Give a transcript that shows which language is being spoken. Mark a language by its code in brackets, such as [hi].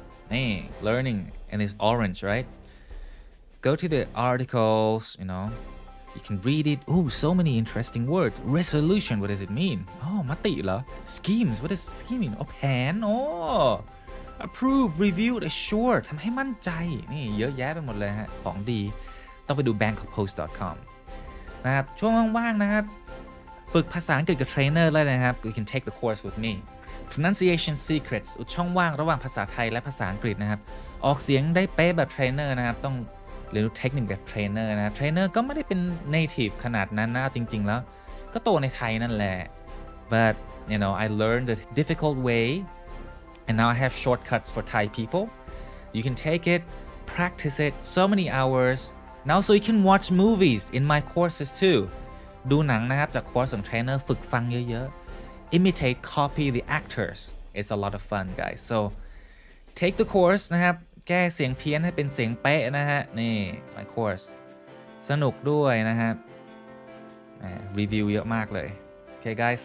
[en] Hey, learning, and it's orange, right? Go to the articles, you know, you can read it. Oh, so many interesting words. Resolution, what does it mean? Oh, mati la. Schemes, what does scheme mean? Oh, plan. Oh, approve, review, assure. [th] ทำให้มั่นใจ นี่เยอะแยะไปหมดเลยฮะ ของดี ต้องไปดู bangkokpost.com นะครับ ช่วงว่างๆนะครับ ฝึกภาษาอังกฤษกับเทรนเนอร์ได้เลยนะครับ [en] You can take the course with me [th] Pronunciation Secrets ช่องว่างระหว่างภาษาไทยและภาษาอังกฤษนะครับ ออกเสียงได้เป๊ะแบบเทรนเนอร์นะครับ ต้องเรียนรู้เทคนิคแบบเทรนเนอร์นะครับ เทรนเนอร์ก็ไม่ได้เป็น native ขนาดนั้นนะจริงๆแล้ว ก็โตในไทยนั่นแหละ [en] But you know I learned the difficult wayAnd now I have shortcuts for Thai people. You can take it, practice it so many hours. Now so you can watch movies in my courses too. [th] ดูหนังนะครับจากคอร์สของเทรนเนอร์ฝึกฟังเยอะๆ [en] Imitate, copy the actors. It's a lot of fun, guys. So take the course [th] นะครับแก้เสียงเพี้ยนให้เป็นเสียงเป๊ะนะฮะนี่ [en] my course [th] สนุกด้วยนะครับ [en] review [th] เยอะมากเลย [en] Okay, guys.